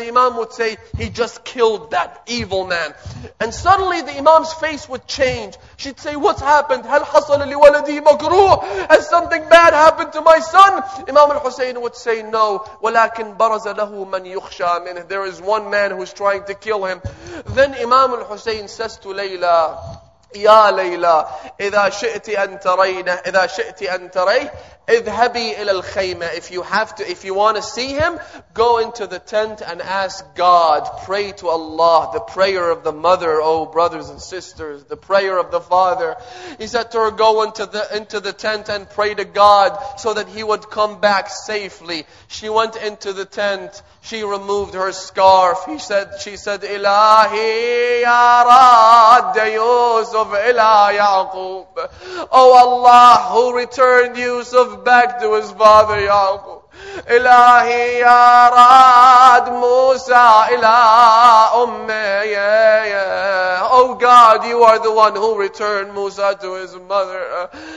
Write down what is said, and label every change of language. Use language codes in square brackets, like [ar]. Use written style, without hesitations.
[en] The Imam would say, he just killed that evil man. And suddenly the Imam's face would change. She'd say, what's happened? [ar] هَلْ حَصَلَ لِوَلَدِي مَكْرُوهُ. [en] Has something bad happened to my son? Imam al-Hussein would say, no. [ar] وَلَكِنْ بَرَزَ لَهُ مَنْ يُخْشَى مِنْهُ. [en] There is one man who's trying to kill him. Then Imam al-Hussein says to Layla, [ar] يا ليلى إذا شئت أن ترين إذا شئت أن تريه اذهبي إلى الخيمة. [en] If you have to, if you want to see him, go into the tent and ask God, pray to Allah, the prayer of the mother, oh brothers and sisters, the prayer of the father. He said to her, go into the tent and pray to God so that he would come back safely. She went into the tent. She removed her scarf. She said, [ar] إلهي يا راد يوسف إلى يعقوب. [en] Oh Allah, who returned Yusuf back to his father Yaqub. [ar] إلهي يا راد موسى إلى أمي. [en] Oh God, you are the one who returned Musa to his mother.